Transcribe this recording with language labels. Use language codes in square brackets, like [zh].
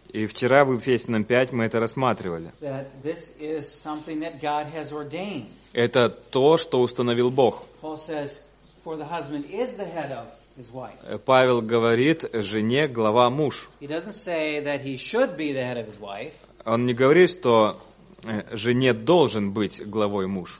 [ru] И вчера в Ефесянам 5 мы это рассматривали. [en] That this is something that God has ordained. [ru] Это то, что установил Бог. [en] Paul says, for the husband is the head of his wife. [ru] Павел говорит, жене глава муж. [en] He doesn't say that he should be the head of his wife. [ru] Он не говорит, что жене должен быть главой муж.